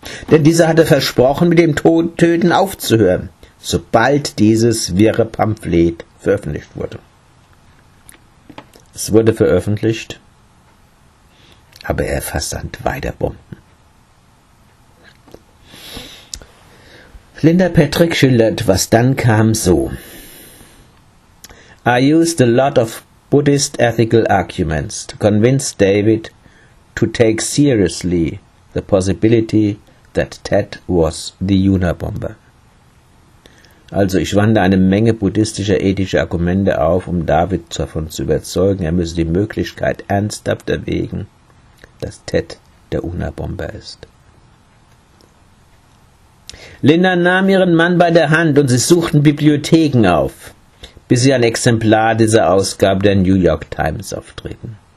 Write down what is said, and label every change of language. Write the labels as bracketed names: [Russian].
[German] Denn dieser hatte versprochen, mit dem Töten aufzuhören, sobald dieses wirre Pamphlet veröffentlicht wurde. Es wurde veröffentlicht, aber er versandt weiter Bomben. [English] Linda Patrick [German] schildert, was dann kam, so: [English] I used a lot of Buddhist ethical arguments to convince David to take seriously the possibility that Ted was the Juna-Bomber. [German] Also, ich wandte eine Menge buddhistischer ethischer Argumente auf, um David davon zu überzeugen, er müsse die Möglichkeit ernsthaft erwägen, dass Ted der Juna-Bomber ist. Linda nahm ihren Mann bei der Hand und sie suchten Bibliotheken auf, bis sie ein Exemplar dieser Ausgabe der New York Times auftreten.